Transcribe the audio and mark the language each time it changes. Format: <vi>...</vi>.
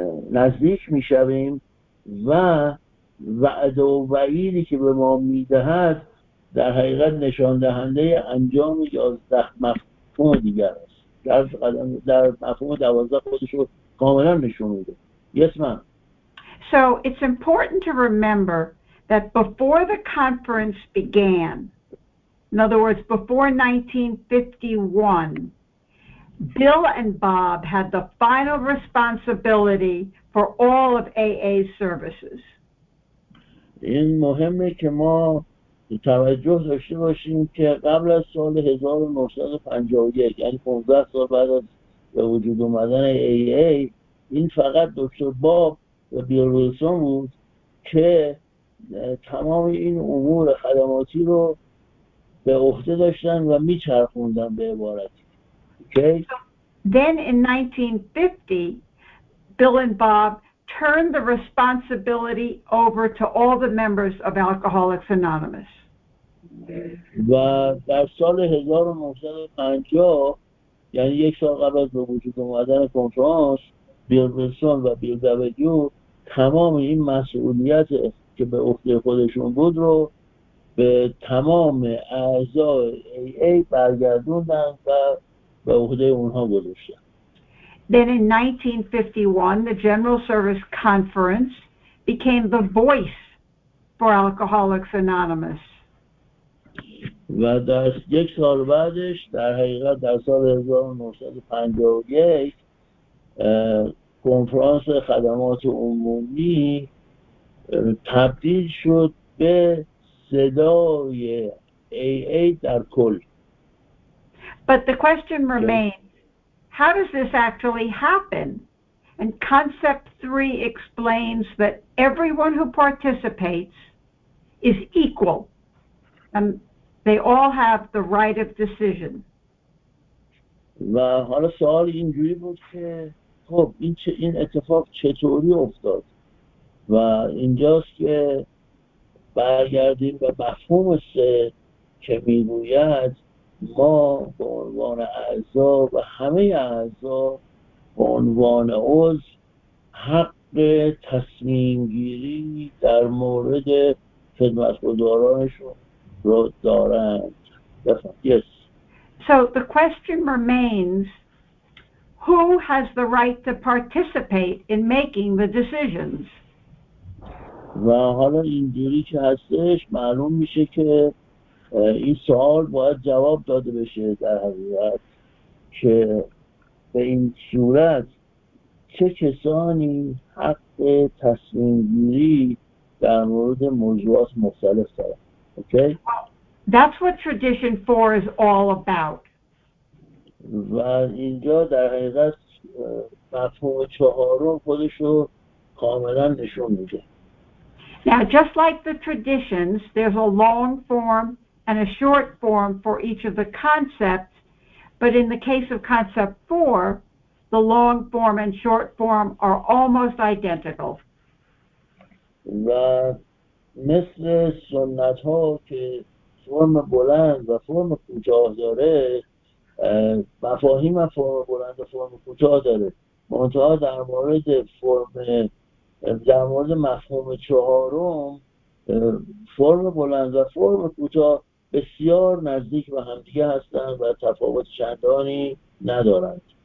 <fa>نزدیک میشویم و وعده و وعیدی که به ما میدهد در حقیقت نشان دهنده انجام 11 مفهوم دیگر است. در مفهوم 12 خودش رو کاملا نشون میده.</fa> <en>Yes, ma'am. So it's important to remember that before the conference began, in other words, before 1951, Bill and Bob had the final responsibility for all of AA's services.</en> <fa>این مهمه که ما توجه داشته باشیم که قبل از سال 1951 یعنی 15 سال بعد از به وجود اومدن AA این فقط دکتر باب و بیل ویلسون بود که تمام این امور خدماتی رو به عهده داشتن و میچرخوندن به عبارتی. Okay.</fa> <en>Then in 1950, Bill and Bob turned the responsibility over to all the members of Alcoholics Anonymous.</en> <fa>و در سال 1950 یعنی یک سال قبل از به وجود اومدن کنفرانس بیل ویلسون و بیل دبلیو تا تمام این مسئولیت که به عهده خودشون بود رو به تمام اعضای AA برگردوندن و به عهده اونها گذاشتن.</fa> <en>Then in 1951, the General Service Conference became the voice for Alcoholics Anonymous.</en> <fa>و در یک سال بعدش در حقیقت در سال 1951 کنفرانس خدمات عمومی تبدیل شد به صدای AA در کل.</fa> <en>But the question remains, how does this actually happen? And concept 3 explains that everyone who participates is equal and they all have the right of decision.</en> <fa>و حالا سوال اینجوری بود که خب این اتفاق چطوری افتاد؟ و اینجاست که برگردیم به مفهوم سه که میگوید ما به عنوان اعضا و همه اعضا به عنوان عضو حق تصمیم گیری در مورد خدمتگزارانشون رو دارند. Yes.</fa> <en>So the question remains, who has the right to participate in making the decisions?</en> <fa>و حالا اینجوری که هستش معلوم میشه که این سوال باید جواب داده بشه در حقیقت که به این صورت چه کسانی حق تصمیم گیری در مورد موضوعات مختلف دارن. اوکی؟</fa> <en>That's what tradition 4 is all about.</en> <fa>و اینجا در حقیقت مفهوم چهارم خودشو کاملا نشون میده.</fa> <en>Now, just like the traditions, there's a long form and a short form for each of the concepts, but in the case of concept 4, the long form and short form are almost identical.</en> <fa>و مثل سنت ها که فرم بلند و فرم کوتاه داره، مفاهیم فرم بلند و فرم کوتاه داره، منتها در مورد فرم در مورد مفهوم چهارم فرم بلند و فرم کوتاه بسیار نزدیک به همدیگه هستند و تفاوت چندانی ندارند.</fa>